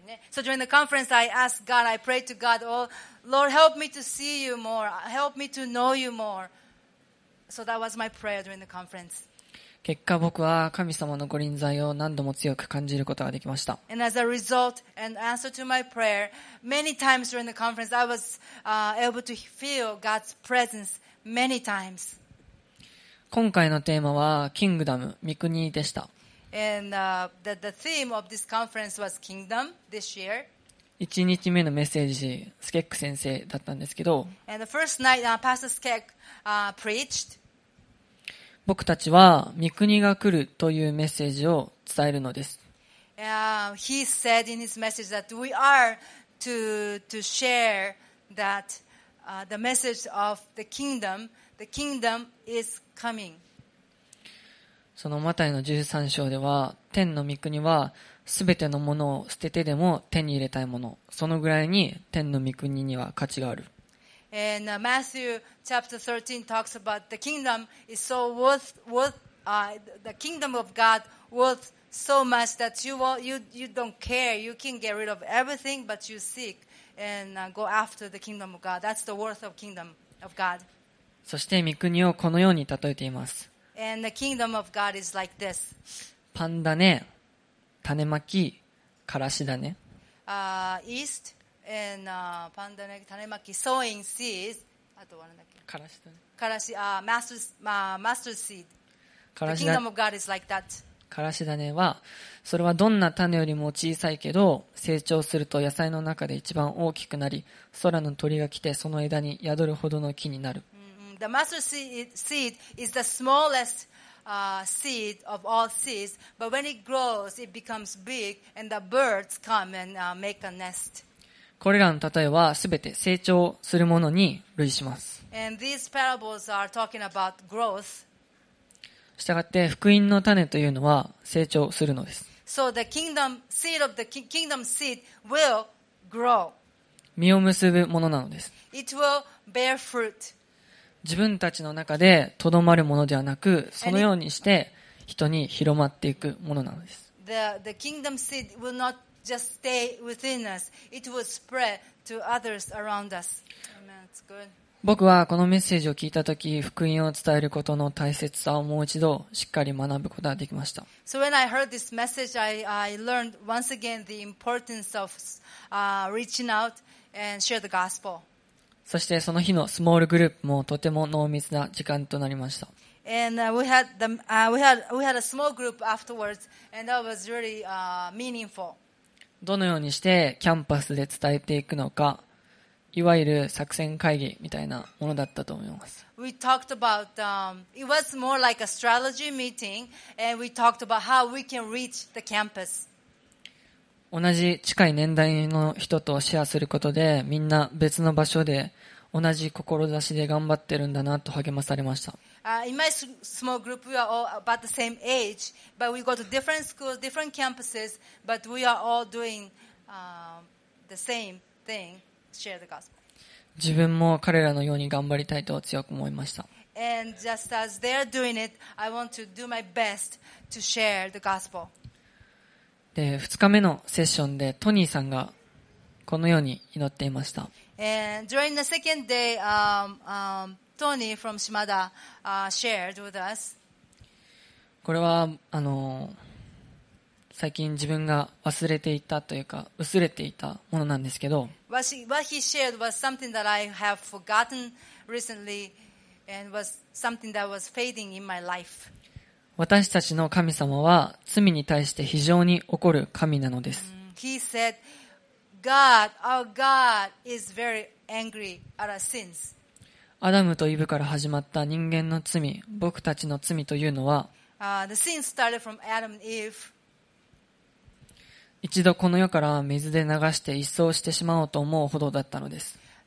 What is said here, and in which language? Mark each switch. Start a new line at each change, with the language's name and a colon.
English: So during the conference, I asked God, I prayed to God, oh Lord, help me to see you more, help me to know you more. So that was my prayer during the conference.
Japanese: 結果僕は神様の御臨在を何度も強く感じることができました。
English: And as a result, and answer to my prayer, many times during the conference, I was able to feel God's presence many times.
Japanese: 今回のテーマはキングダム、御国でした。
English: The theme of this conference was kingdom this year.
Japanese: 1日目のメッセージ、スケック先生だったんですけど、
English: And the first night, Pastor Skek, preached.
Japanese: 僕たちは御国が来るというメッセージを伝えるのです。
English: He said in his message that we are to share that, the message of the kingdom. The kingdom is coming.
Japanese: そのマタイの13章では天の御国はすべてのものを捨ててでも手に入れたいものそのぐらいに天の御国には価値がある。
English: And Matthew chapter 13 talks about the kingdom is so worth the kingdom of God worth so much that you don't care you can get rid of everything but you seek and go after the kingdom of God. That's the worth of kingdom of God.
Japanese: そして御国をこのように例えています。
English: And the kingdom of God is like this.
Japanese: パンダネ、種まき、からしだね。
English: East and
Japanese: パンダネ、種まき、
English: sowing seeds.
Japanese: あと何だっけ？からしだね。
English: からし、mustard seed. The kingdom of God is like that.
Japanese: からしだねは、それはどんな種よりも小さいけど、成長すると野菜の中で一番大きくなり、空の鳥が来てその枝に宿るほどの木になる。
English: The mustard seed is the smallest seed of all seeds, but when it grows, it becomes big, and the birds come and make a nest.
Japanese: これらの例えは全て成長するものに類します。
English: And these parables are talking about growth.
Japanese: したがって福音の種というのは成長するのです。
English: So the kingdom seed of the kingdom seed will grow.
Japanese: 実を結ぶものなのです。
English: It will bear fruit.
Japanese: 自分たちの中でとどまるものではなく、そのようにして人に広まっていくものなのです。
English: The kingdom seed will not just stay within us; it will spread to others around us. Amen. It's good.
Japanese: 僕はこのメッセージを聞いたとき、福音を伝えることの大切さをもう一度しっかり学ぶことができました。
English: So when I heard this message, I learned once again the importance of reaching out and share the gospel.
Japanese: そしてその日のスモールグループもとても濃密な時間となりました。
English: And we had a small group afterwards, and that was really meaningful.
Japanese: どのようにしてキャンパスで伝えていくのか、いわゆる作戦会議みたいなものだったと思います。
English: We talked about it was more like a strategy meeting, and we talked about how we can reach the campus.
Japanese: 同じ近い年代の人とシェアすることでみんな別の場所で同じ志で頑張ってるんだなと励まされました。
English: In my small group, we are all about the same age, but we go to different schools, different campuses, but we are all doing the same thing, share the gospel.
Japanese: 自分も彼らのように頑張りたいと強く思いました。
English: And just as they are doing it, I want to do my best to share the gospel.
Japanese: で、2日目のセッションでトニーさんがこのように祈っていました。
English: And during the second day, Tony from Shimada, shared with us.
Japanese: これは最近自分が忘れていたというか薄れていたものなんですけど。
English: What he shared was something that I have forgotten recently, and was something that was fading in my life.
Japanese: 私たちの神様は罪に対して非常に怒る神なのです。
English: He said, "God, our God, is very angry at our sins."
Japanese: アダムとイブから始まった人間の罪、僕たちの罪というのは、
English: the sin started from Adam and Eve.
Japanese: 一度この世から水で流して一掃してしまおうと思うほどだったのです。